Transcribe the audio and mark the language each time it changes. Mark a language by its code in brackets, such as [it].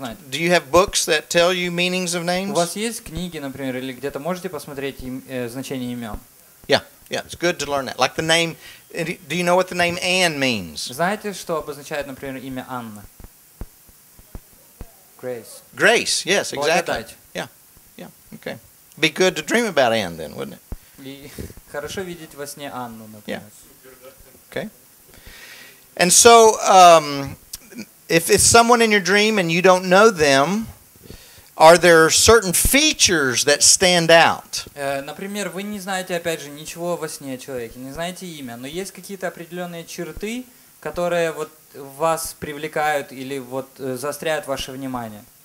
[en] Do you have books that tell you meanings of names? [ru] У вас есть книги, например, или где-то можете посмотреть значение имен? [en] Yeah, it's good to learn that. Like the name, do you know what the name Anne means? [ru] Знаете, что обозначает, например, имя Анна? [en] Grace. Grace, yes, exactly. Yeah, okay. Be good to dream about Anne then, wouldn't it? [ru] И хорошо видеть во сне Анну, например. [en] Yeah. Okay. And so, if it's someone in your dream and you don't know them, are there certain features that stand out? [ru] Например, вы не знаете, опять же, ничего во сне о человеке, не знаете имя, но есть какие-то определенные черты, которые вот вас привлекают или вот заостряют ваше внимание.